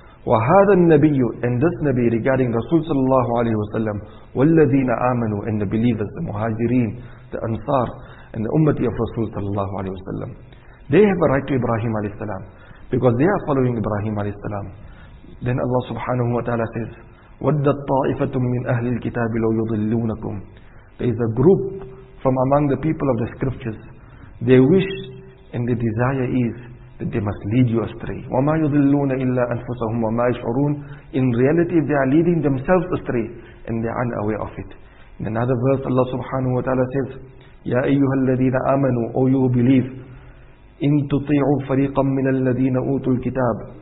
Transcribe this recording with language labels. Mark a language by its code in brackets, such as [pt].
[ar] وَهَذَا النَّبِيُّ, [en] and this Nabi regarding Rasul sallallahu alayhi wa sallam, [ar] وَالَّذِينَ آمَنُوا, [en] and the believers, the muhajirin, the Ansar, and the Ummati of Rasul sallallahu alayhi wa sallam. They have a right to Ibrahim alayhi salam, because they are following Ibrahim alayhi salam. Then Allah subhanahu wa ta'ala says, [ar] وَدَّتْ طَائِفَةٌ مِّنْ أَهْلِ الْكِتَابِ لَوْ يُضِلُّونَكُمْ. [en] There is a group from among the people of the scriptures. They wish and the desire is that they must lead you astray. [ar] وَمَا يُضِلُّونَ إِلَّا أَنفُسَهُمْ وَمَا يَشْعُرُونَ. [en] In reality they are leading themselves astray and they are unaware of it. In another verse Allah subhanahu wa ta'ala says, [ar] يَا أَيُّهَا الَّذِينَ آمَنُوا, [en] O you who believe, [ar] إِن تُطِيعُوا فَرِيقًا مِّنَ الَّذِينَ أُوتُوا الْكِتَابِ.